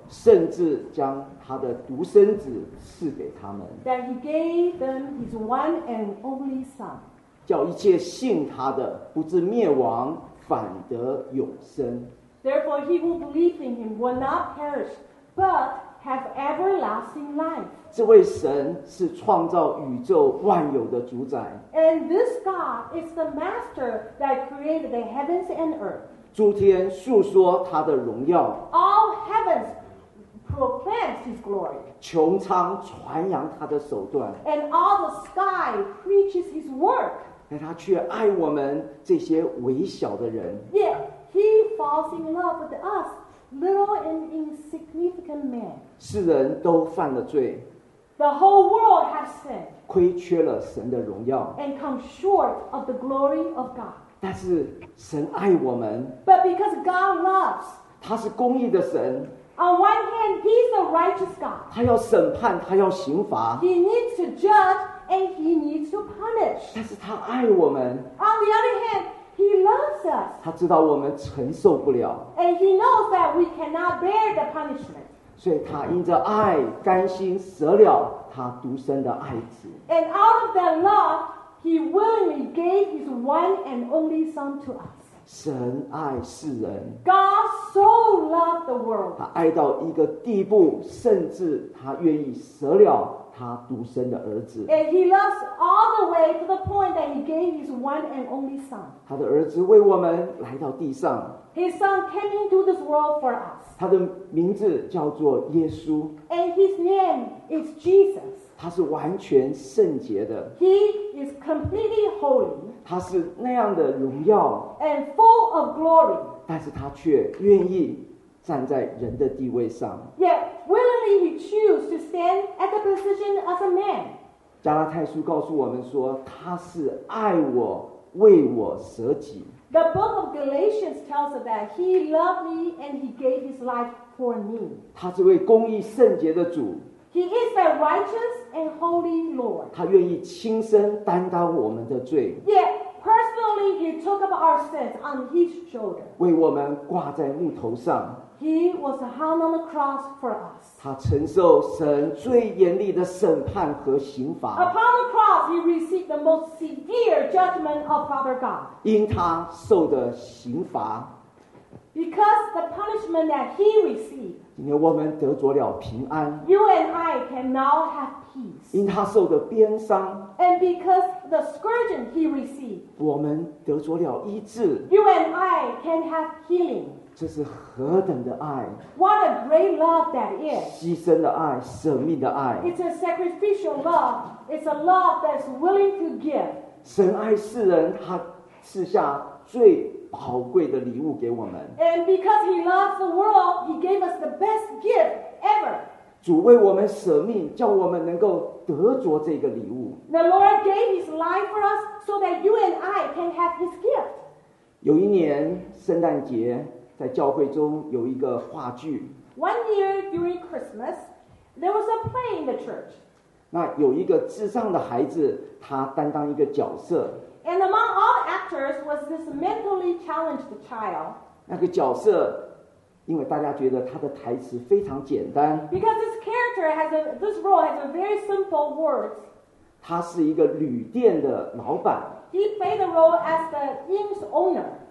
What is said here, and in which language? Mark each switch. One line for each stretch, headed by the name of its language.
Chinese: 甚至将他的独生子赐给他们。
English: That he gave them his one and only son.
Chinese: 叫一切信他的不至灭亡，反得永生。
English: Therefore, he who believes in him will not perish, but have everlasting life.
Chinese: 这位神是创造宇宙万有的主宰。
English: And this God is the master that created the heavens and earth.
Chinese: 诸天述说他的荣耀。
English: All heavens proclaims his glory.
Chinese: 穹苍传扬他的手段。
English: And all the sky preaches his work.
Chinese: 但他却爱我们这些微小的人。
English: Yeah, he falls in love with us. Little and insignificant man.
Chinese: 世人都犯了罪。
English: The whole world has sinned.
Chinese: 亏缺了神的荣耀。
English: And come short of the glory of God.
Chinese: 但是神爱我们。
English: But because God loves.
Chinese: 他是公义的神。
English: On one hand, he's a righteous God.
Chinese: 他要审判，他要刑罚。
English: He needs to judge and he needs to punish.
Chinese: 但是他爱我们。
English: On the other hand,He loves us.
Chinese: 他知道我们承受不了。
English: And he knows that we cannot bear the punishment.
Chinese: 所以他因着爱甘心舍了他独生的爱子。
English: And out of that love, he willingly gave his one and only son to us.
Chinese: 神爱世人。
English: God so loved the world.
Chinese: 他爱到一个地步，甚至他愿意舍了他独生的儿子。
English: And he loves all the way to the point that he gave his one and only son.
Chinese: 他的儿子为我们来到地上。
English: His son came into this world for us.
Chinese: 他的名字叫做耶稣。
English: And his name is Jesus.
Chinese: 他是完全圣洁的。
English: He is completely holy.
Chinese: 他是那样的荣耀。
English: And full of glory.
Chinese: 但是他却愿意站在人的地位上。
English: Yet, willingly he chose to stand at the position as a man.
Chinese: 加拉太书告诉我们说，他是爱我，为我舍己。
English: The book of Galatians tells us that he loved me and he gave his life for me.
Chinese: 他是位公义圣洁的主。
English: He is a righteous and holy Lord.
Chinese: 他愿意亲身担当我们的罪。
English: Yet,Personally, he took up our sins on his shoulder.
Chinese: 为我们挂在木头上。
English: He was hung on the cross for us.
Chinese: 他承受神最严厉的审判和刑罚。
English: Upon the cross, he received the most severe judgment of Father God.
Chinese: 因他受的刑罚。
English: Because the punishment that he received.
Chinese: 今天我们得着了平安。
English: You and I can now have peace.
Chinese: 因他受的鞭伤。
English: And because the scourging he received.
Chinese: 我们得着了医治。
English: You and I can have healing.
Chinese: 这是何等的爱。
English: What a great love that is.
Chinese: 牺牲的爱，舍命的爱。
English: It's a sacrificial love. It's a love that's willing to give.
Chinese: 神爱世人，他赐下最宝贵的礼物给我们。
English: And because he loves the world, he gave us the best gift ever.
Chinese: 主为我们舍命，叫我们能够得着这个礼物。
English: The Lord gave his life for us so that you and I can have his gift.
Chinese: 有一年圣诞节，在教会中有一个话剧。
English: One year during Christmas, there was a play in the church.
Chinese: 那有一个智障的孩子，他担当一个角色。
English: And among all actors was this mentally challenged child.
Chinese: 那个角色，因为大家觉得他的台词非常简单。
English: Because this character has a, this role has a very simple words.
Chinese: 他是一个旅店的老板。
English: He played the role as the inn's owner.